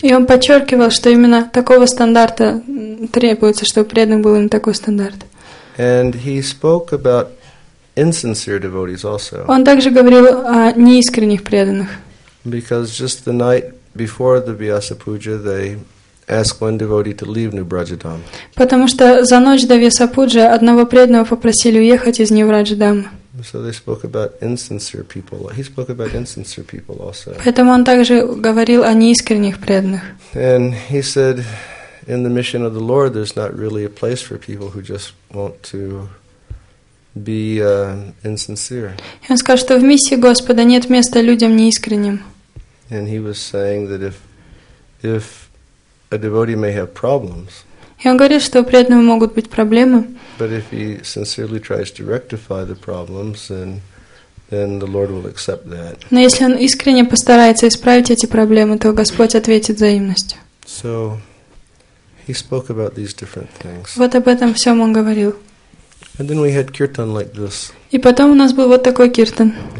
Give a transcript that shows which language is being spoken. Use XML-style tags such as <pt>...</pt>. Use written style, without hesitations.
<ru>И он подчеркивал, что именно такого стандарта требуется, чтобы преданный был им такой стандарт.</ru> <en>And he spoke about insincere devotees also.</en> <ru>Он также говорил о неискренних преданных.</ru> <en>Because just the night before the Vyasa Puja, they ask one devotee to leave New Brajadham.</en> <ru>Потому что за ночь до Вьясапуджи одного преданного попросили уехать из Нью-Брадждама.</ru> <en>So they spoke about insincere people. He spoke about insincere people also.</en> <ru>Поэтому он также говорил о неискренних преданных.</ru> <en>And he said, in the mission of the Lord, there's not really a place for people who just want to be insincere.</en> <ru>И он сказал, что в миссии Господа нет места людям неискренним.</ru> <en>And he was saying that if a devotee may have problems.</en> <ru>И он говорит, что у преданного могут быть проблемы.</ru> <en>But if he sincerely tries to rectify the problems, then the Lord will accept that.</en> <ru>Но если он искренне постарается исправить эти проблемы, то Господь ответит взаимностью.</ru> <en>So he spoke about these different things.</en> <ru>Вот об этом всем он говорил.</ru> <en>And then we had kirtan like this.</en> <ru>И потом у нас был вот такой киртан.</ru>